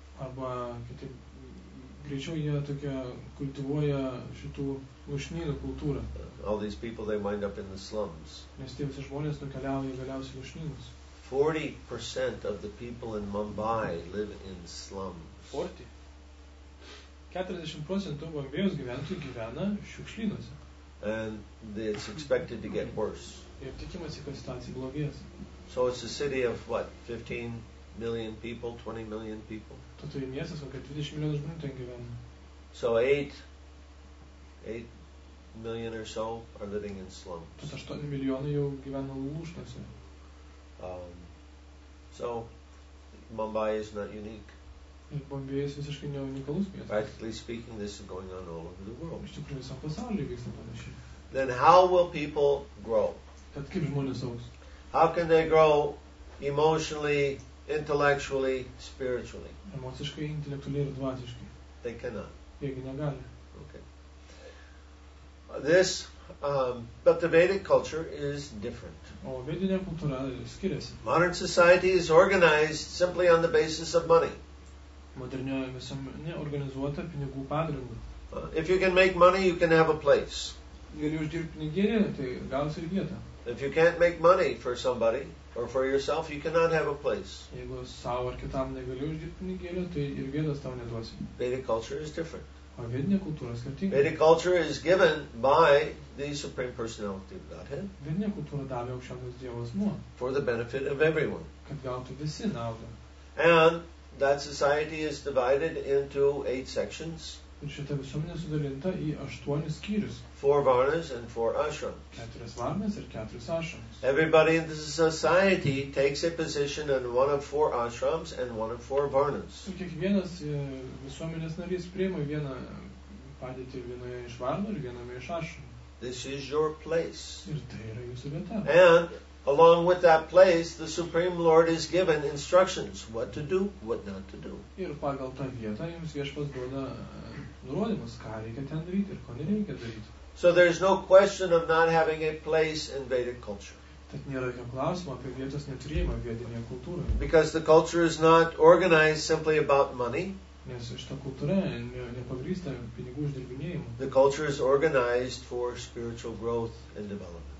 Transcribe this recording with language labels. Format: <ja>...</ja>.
<lt>Arba kitaip, greičiau jie tokia kultivuoja šitų lūšnynų kultūrą.</lt> <en>All these people, they wind up in the slums.</en> <lt>Nes tie visi žmonės nukeliauja galiausiai lūšnynus.</lt> <en>40% of the people in Mumbai live in slums.</en> <lt>40% Bombėjos gyventojų gyvena šiukšlynuose.</lt> <en>And it's expected to get worse.</en> <lt>Ir tikimasi, kad situacija blogės.</lt> <en>So it's a city of what, 15 million people, 20 million people?</en> <lt>Tu turi miestas, kokia 20 milijonų žmonių ten gyvena.</lt> <en>So 8 million or so are living in slums.</en> <lt>8 milijonai jau gyvena lūšnose.</lt> <en>So Mumbai is not unique.</en> <lt>Ir Bombėjus visiškai ne unikalus miestas.</lt> <en>Practically speaking, this is going on all over the world.</en> <lt>Iš tikrųjų, visam pasaulyje vyksta panašiai.</lt> <en>Then how will people grow?</en> <lt>Tad kaip žmonės augs?</lt> <en>How can they grow emotionally, intellectually, spiritually?</en> <lt>Emociškai, intelektualiai ir dvasiškai.</lt> <en>They cannot.</en> <lt>Jiegi negali.</lt> <en>Okay. This, but the Vedic culture is different.</en> <lt>O vedinė kultūra skiriasi.</lt> <en>Modern society is organized simply on the basis of money.</en> <lt>Modernioje visuomenė organizuota pinigų pagrindu.</lt> <en>If you can make money, you can have a place.</en> <lt>Gali uždirbti pinigėlį, tai gausi ir vietą.</lt> <en>If you can't make money for somebody or for yourself, you cannot have a place.</en> <lt>Jeigu savo ar kitam negali uždirbti pinigėlį, tai ir vietos tau neduosi.</lt> <en>Vedic culture is different.</en> <lt>O vedinė kultūra skirtinga.</lt> <en>Vedic culture is given by the Supreme Personality of Godhead.</en> <lt>Vedinė kultūra davė aukščiausias Dievo asmuo.</lt> <en>For the benefit of everyone.</en> <lt>Kad gautų visi naudą.</lt> <en>And that society is divided into 8 sections.</en> <lt>Ir šita visuomenė sudalinta į 8 skyrius.</lt> <en>4 varnas and 4 ashrams.</en> <lt>4 varnas ir 4 ashrams.</lt> <en>Everybody in the society takes a position in one of 4 ashrams and one of 4 varnas.</en> <lt>Kiekvienas visuomenės narys priima vieną padėtį vienoje iš varnų ir viename iš ashram.</lt> <en>This is your place.</en> <lt>Ir tai yra jūsų vieta.</lt> <en>And along with that place, the Supreme Lord is given instructions what to do, what not to do.</en> <lt>Ir pagal tą vietą jums viešpats duoda nurodymus, ką reikia ten daryti ir ko nereikia daryti.</lt> <en>So there is no question of not having a place in Vedic culture.</en> <lt>Tad nėra jokio klausimo apie vietos neturėjimą vedinėje kultūroje.</lt> <en>Because the culture is not organized simply about money.</en> <lt>Nes šita kultūra nepagrįsta pinigų uždirbinėjimu.</lt> <en>The culture is organized for spiritual growth and development.</en>